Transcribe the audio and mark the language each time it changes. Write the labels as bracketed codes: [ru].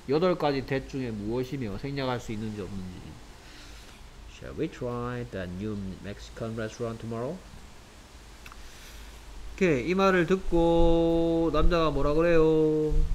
[ko] 여덟 가지 that 중에 무엇이며 생략할 수 있는지 없는지. [en] Shall we try that new Mexican restaurant tomorrow? [ko] 오케이. 이 말을 듣고 남자가 뭐라 그래요?